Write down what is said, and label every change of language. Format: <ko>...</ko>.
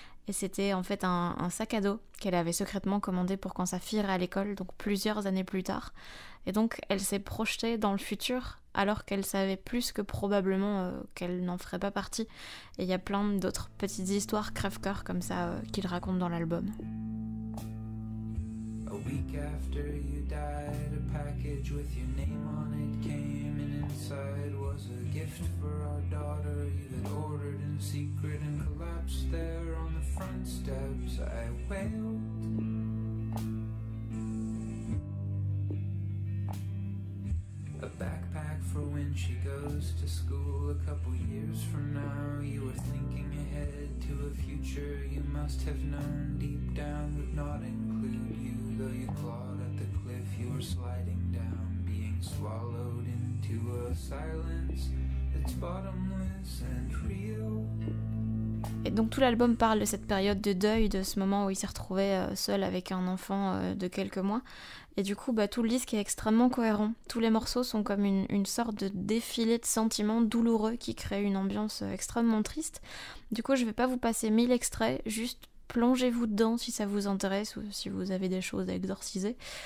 <fr>Et c'était en fait un sac à dos qu'elle avait secrètement commandé pour quand sa fille irait à l'école, donc plusieurs années plus tard. Et donc elle s'est projetée dans le futur alors qu'elle savait plus que probablement qu'elle n'en ferait pas partie. Et il y a plein d'autres petites histoires crève-cœur comme ça qu'il raconte dans l'album.</fr> <en>A week after you died, a package with your name on it came, and inside was a gift for our daughter. You had ordered in secret and collapsed there on the front steps. I wailed. A backpack for when she goes to school a couple years from now. You were thinking ahead to a future you must have known deep down would not include you. Though you clawed at the cliff, you were sliding down, being swallowed into a silence that's bottomless and real.</en> <fr>Et donc tout l'album parle de cette période de deuil, de ce moment où il s'est retrouvé seul avec un enfant de quelques mois. Et du coup, bah, tout le disque est extrêmement cohérent. Tous les morceaux sont comme une sorte de défilé de sentiments douloureux qui créent une ambiance extrêmement triste. Du coup, je vais pas vous passer 1000 extraits, juste plongez-vous dedans si ça vous intéresse ou si vous avez des choses à exorciser.</fr>